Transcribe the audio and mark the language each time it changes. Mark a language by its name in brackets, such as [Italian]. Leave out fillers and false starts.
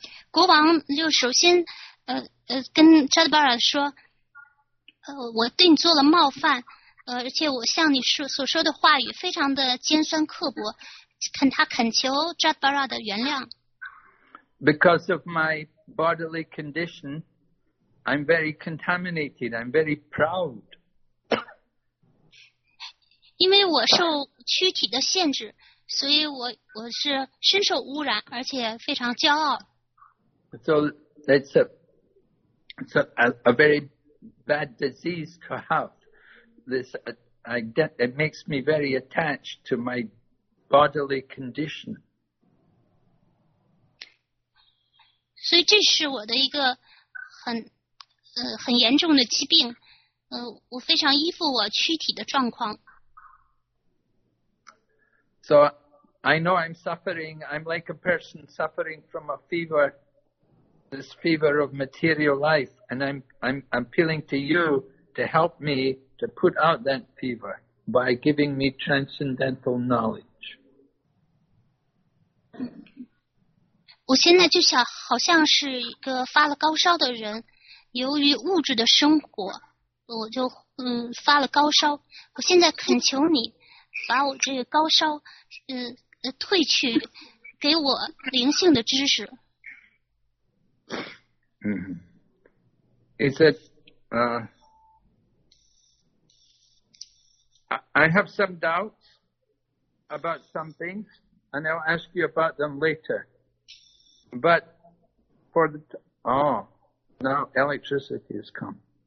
[Chinese] 国王就首先跟 Jadbharat 说我对你做了冒犯而且我向你所说的话语非常的尖酸刻薄恳求 Jadbharat 的原谅。 [English] Because of my bodily condition, I'm very contaminated, I'm very proud. [Chinese] 因为我受躯体的限制所以 我是深受污染而且非常骄傲。 [English] So it's a very bad disease to have. It makes me very attached to my bodily condition. [Chinese] 所以这是我的一个很严重的疾病。我非常依附我躯体的状况。 [English] So I know I'm suffering. I'm like a person suffering from a fever. This fever of material life, and I'm appealing to you to help me to put out that fever by giving me transcendental knowledge. [Chinese] 我现在就想，好像是一个发了高烧的人，由于物质的生活，我就发了高烧。我现在恳求你把我这个高烧退去，给我灵性的知识。 Mm-hmm. [English] He said, I have some doubts about some things, and I'll ask you about them later. But for the now electricity has come.